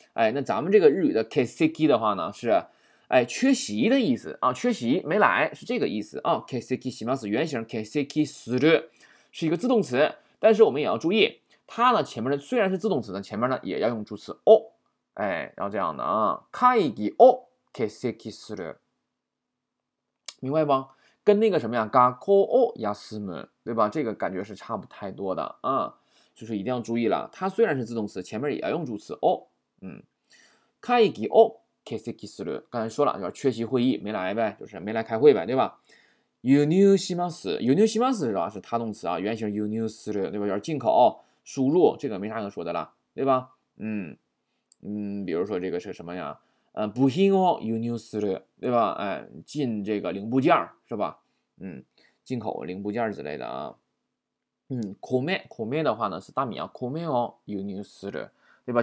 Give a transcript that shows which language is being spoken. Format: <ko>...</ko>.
<zh>哎，那咱们这个日语的欠席的话呢，是哎缺席的意思啊，缺席没来，是这个意思啊。欠席します，原型欠席する是一个自动词，但是我们也要注意，它呢前面的虽然是自动词呢，前面呢也要用助词を，哎，要这样的啊。</zh> <ja>会議を欠席する，明白吗？</ja> <zh>跟那个什么呀，</zh> <ja>学校を休む，</ja> <zh>对吧？这个感觉是差不太多的啊，就是一定要注意了。它虽然是自动词，前面也要用助词を，嗯。</zh> <ja>会議を欠席する，</ja> <zh>刚才说了，就是缺席会议，没来呗，就是没来开会呗，对吧？輸入します，輸入します是吧？是他动词啊，原型輸入する，对吧？就是进口、输入，这个没啥可说的了，对吧？嗯嗯，比如说这个是什么呀？</zh> <ja>部品を輸入する，</ja> <zh>对吧？进这个零部件是吧？进口零部件之类的啊。米的话呢是大米啊，</zh> <ja>米を輸入する，</ja> <zh>对吧？</zh>